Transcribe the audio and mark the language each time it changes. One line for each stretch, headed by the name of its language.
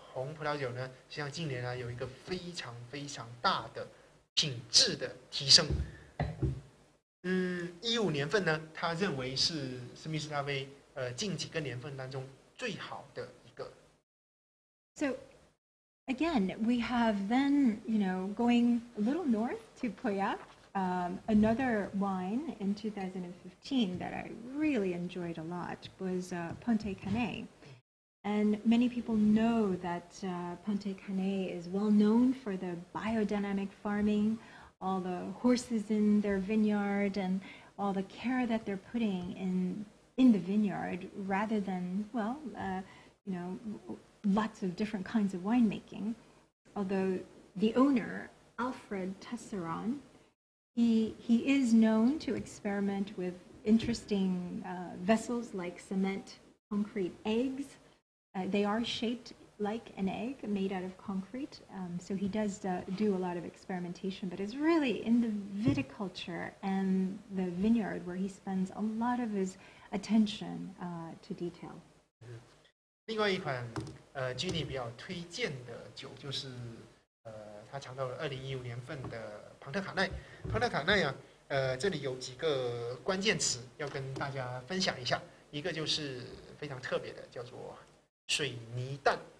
Chinese: 红葡萄酒呢，实际上近年来有一个非常非常大的品质的提升。 15年份呢，他认为是史密斯大威近几个年份当中最好的一个。
English: So again, we have then, you know, going a little north to Puglia, another wine in 2015 that I really enjoyed a lot was Ponte Canet. And many people know that Ponte Canet is well known for the biodynamic farming, all the horses in their vineyard, and all the care that they're putting in the vineyard, rather than, well, you know, lots of different kinds of winemaking. Although the owner, Alfred Tesseron, he is known to experiment with interesting vessels like cement concrete eggs. They are shaped like an egg made out of concrete, so he does do a lot of experimentation, but it's really in the viticulture and the vineyard where he spends a lot of his attention to detail.
Chinese: 另外一款Ginny 比较推荐的酒就是他尝到了2015年份的庞特卡奈。庞特卡奈啊，这里有几个关键词要跟大家分享一下，一个就是非常特别的，叫做水泥蛋。